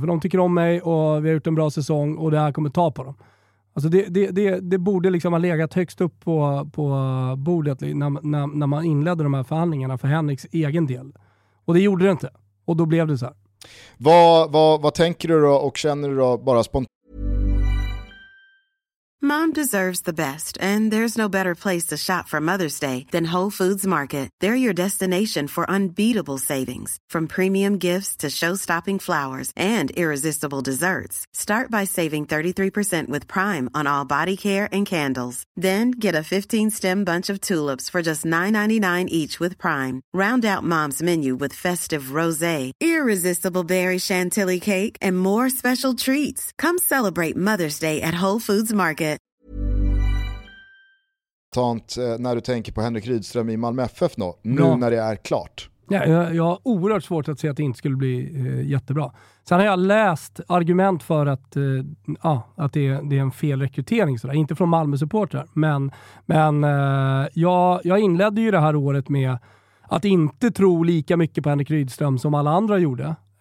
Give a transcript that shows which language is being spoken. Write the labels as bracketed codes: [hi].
[sv] För de tycker om mig och vi har gjort en bra säsong och det här kommer ta på dem. Alltså det borde liksom ha legat högst upp på bordet när man inledde de här förhandlingarna för Henriks egen del. Och det gjorde det inte. Och då blev det så här. Vad tänker du då och känner du då bara spontant? [en] Mom deserves the best, and there's no better place to shop for Mother's Day than Whole Foods Market. They're your destination for unbeatable savings, from premium gifts to show-stopping flowers and irresistible desserts. Start by saving 33% with Prime on all body care and candles. Then get a 15-stem bunch of tulips for just $9.99 each with Prime. Round out Mom's menu with festive rosé, irresistible berry chantilly cake, and more special treats. Come celebrate Mother's Day at Whole Foods Market. [sv] När du tänker på Henrik Rydström i Malmö FF då, nu när det är klart. Ja, jag har oerhört svårt att se att det inte skulle bli jättebra. Sen har jag läst argument för att det är en felrekrytering. Sådär. Inte från Malmö supportrar. Men jag inledde ju det här året med att inte tro lika mycket på Henrik Rydström som alla andra gjorde.